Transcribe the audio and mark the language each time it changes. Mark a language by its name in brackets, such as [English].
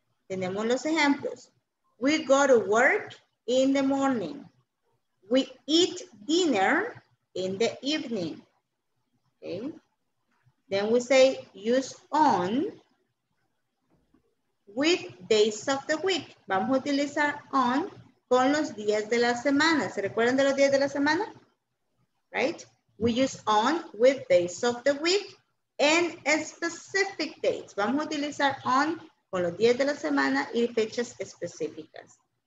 [Spanish] Tenemos los ejemplos. [English] We go to work in the morning. We eat dinner in the evening. Okay. Then we say use on with days of the week. [Spanish] Vamos a utilizar on con los días de la semana. ¿Se recuerdan de los días de la semana? [English] Right? We use on with days of the week and a specific dates. [Spanish] Vamos a utilizar on con los días de la semana y fechas específicas.